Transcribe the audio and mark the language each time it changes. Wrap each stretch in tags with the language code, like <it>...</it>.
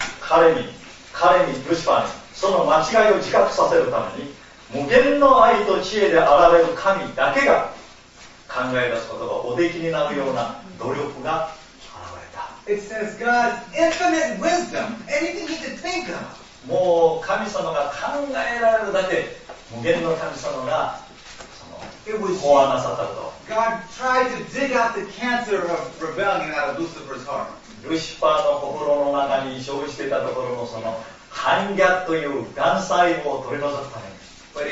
<ja>彼にルシファーにその間違いを自覚させるために無限の愛と知恵であられる神だけが考え出すことがおできになるような努力が現れた。</ja> <en>It says God's infinite wisdom, anything he could think of.</en> <ja>もう神様が考えられるだけ無限の神様がその法案なさったこと。</ja> <en>God tried to dig out the cancer of rebellion out of Lucifer's heart.</en> <ja>ルシファーの心の中に生じていたところのその反逆というがん細胞を取り除くために</ja>